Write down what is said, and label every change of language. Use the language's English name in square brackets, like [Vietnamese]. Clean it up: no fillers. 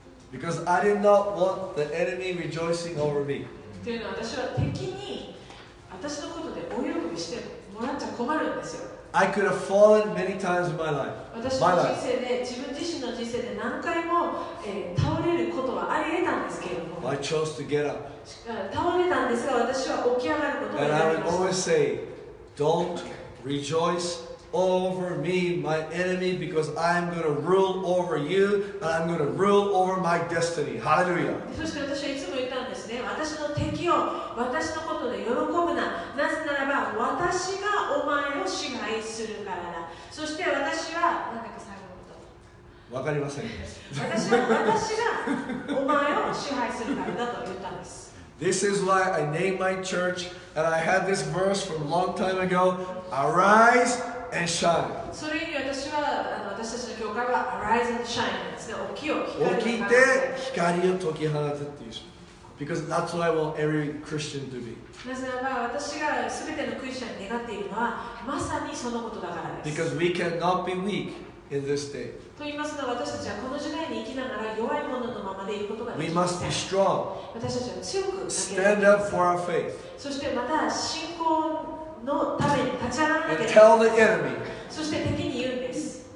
[English] Because I did not want the enemy rejoicing over me. [Japanese] というのは私は敵に私のことでお喜びしてもらっちゃ困るんですよ。 [English] I could have fallen many times in my life. [Japanese] 私の人生で自分自身の人生で何回も、倒れることはあり得たんですけれども。 [English] I chose to get up. [Japanese] 倒れたんですが私は起き上がることはありました [English] 。 And I would always say, don't rejoice. Over me, my enemy, because I am going to rule over you, and I'm going to rule over my destiny. Hallelujah. [Japanese] そして私はいつも言ったんですね。私の敵を私のことで喜ぶな。なぜならば私がお前を支配するからだ。そして私は何だか最後のこと。わかりません。私がお前を支配するからだと言ったんです。 [English] This is why I named my church, and I had this verse from a long time ago. Arise. And shine. [Japanese] それに私は私たちの教会は Arise and Shine ですね。起きよ、光を。起きて光を解き放つっていう。 [English] Because that's what I want every Christian to be. [Japanese] なぜならば私が全てのクリスチャンに願っているのはまさにそのことだからです。 [English] Because we cannot be weak in this day. [Japanese] と言いますのは私たちはこの時代に生きながら弱いもののままでいることができません。 [English] We must be strong. [Japanese] 私たちは強く [English] Stand up for our faith. [Japanese] そしてまた信仰のために立ち上がらなければ [English] 。 And tell the enemy. [Japanese] そして敵に言うんです。